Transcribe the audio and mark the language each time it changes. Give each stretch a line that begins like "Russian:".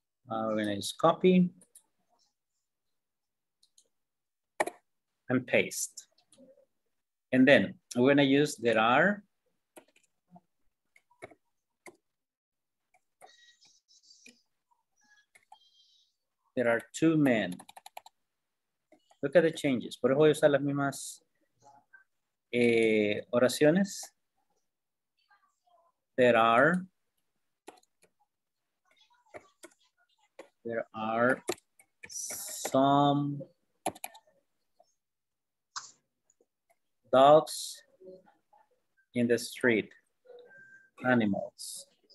English: We're gonna just copy and paste. And then we're gonna use there are two men. Look at the changes.
Spanish: Por eso voy a usar las mismas oraciones.
English: There are some dogs in the street, animals.